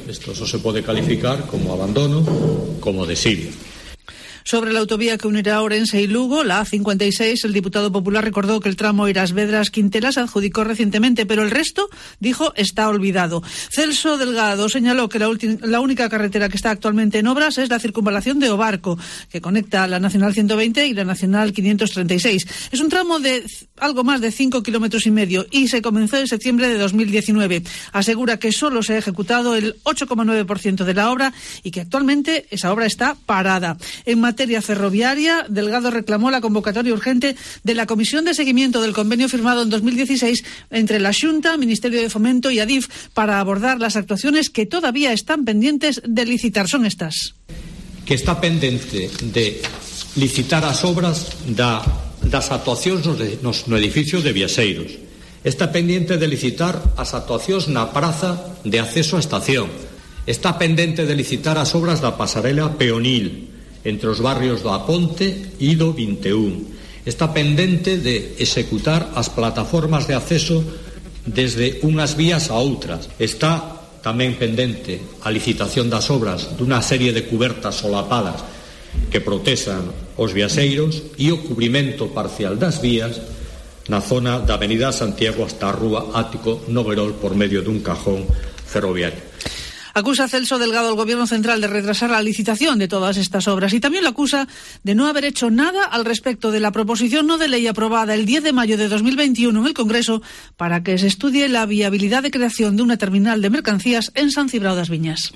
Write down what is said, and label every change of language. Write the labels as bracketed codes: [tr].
[gl] Isto só se pode calificar como abandono, como desidia. [es] Sobre la autovía que unirá Orense y Lugo, la A56, el diputado popular recordó que el tramo Iras Vedras Quintela se adjudicó recientemente, pero el resto, dijo, está olvidado. Celso Delgado señaló que la única carretera que está actualmente en obras es la circunvalación de Obarco, que conecta la Nacional 120 y la Nacional 536. Es un tramo de algo más de 5,5 kilómetros y se comenzó en septiembre de 2019. Asegura que solo se ha ejecutado el 8,9% de la obra y que actualmente esa obra está parada. En materia ferroviaria, Delgado reclamó la convocatoria urgente de la Comisión de Seguimiento del convenio firmado en 2016 entre la Xunta, Ministerio de Fomento y Adif para abordar las actuaciones que todavía están pendientes de licitar. [gl] Son estas. Que está pendente de licitar las obras das actuacións no edificio de Viaseiros. Está pendente de licitar as actuacións na praza de acceso a estación. Está pendente de licitar as obras da pasarela peonil entre os barrios do Aponte e do 21. Está pendente de executar as plataformas de acceso desde unhas vías a outras. Está tamén pendente a licitación das obras dunha serie de cubertas solapadas que protexan os viaseiros e o cubrimento parcial das vías na zona da Avenida Santiago hasta a Rúa Ático Noverol por medio dun cajón ferroviario. [es] Acusa Celso Delgado al Gobierno Central de retrasar la licitación de todas estas obras y también lo acusa de no haber hecho nada al respecto de la proposición no de ley aprobada el 10 de mayo de 2021 en el Congreso para que se estudie la viabilidad de creación de una terminal de mercancías en San Cibrao das Viñas.